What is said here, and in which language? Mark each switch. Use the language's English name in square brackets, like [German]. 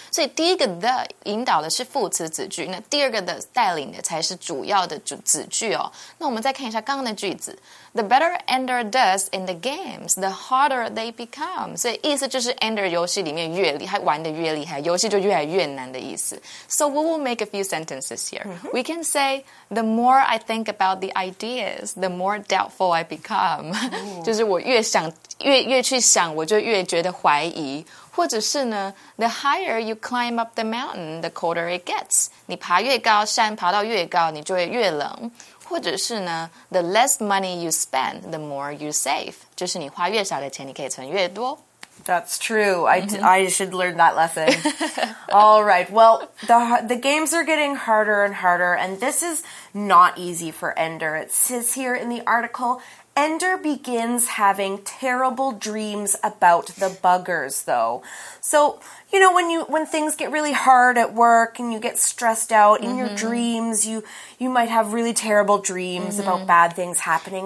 [Chinese] 所以第一个 the 引导的是副词子句，那第二个 the 带领的才是主要的子句哦。那我们再看一下刚刚的句子。 [English] The better Ender does in the games, the harder they become. [Chinese] 所以意思就是 Ender 游戏里面越厉害，玩得越厉害，游戏就越来越难的意思。 [English] So we will make a few sentences here. We can say, the more I think about the ideas, the more doubtful I become. [Chinese] 就是我越想 越去想，我就越觉得怀疑。或者是呢 [English] the higher you climb up the mountain, the colder it gets. [Chinese] 你爬越高，山爬到越高，你就会越冷。或者是呢 [English] the less money you spend, the more you save. [Chinese] 就是你花越少的钱，你可以存越多。 [English] That's true. I should learn that lesson. All right. Well, the games are getting harder and harder, and this is not easy for Ender. It says here in the article, Ender begins having terrible dreams about the buggers, though. So, you know, when things get really hard at work and you get stressed out in your dreams, you might have really terrible dreams about bad things happening.